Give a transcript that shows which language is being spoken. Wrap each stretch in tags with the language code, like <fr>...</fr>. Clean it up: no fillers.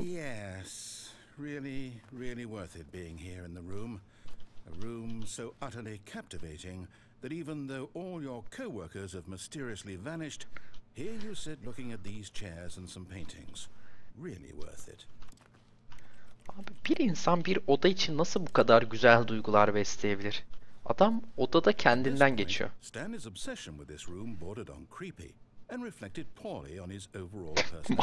<en>Yes, really, really worth it being here in the room. A room so utterly captivating that even though all your co-workers have mysteriously vanished, here you sit looking at these chairs and some paintings. Really worth it.</en> <tr>Abi bir insan bir oda için nasıl bu kadar güzel duygular besleyebilir? Adam odada kendinden geçiyor.</tr> <en>Stanley's obsession with this room bordered on creepy and reflected poorly on his overall personality.</en>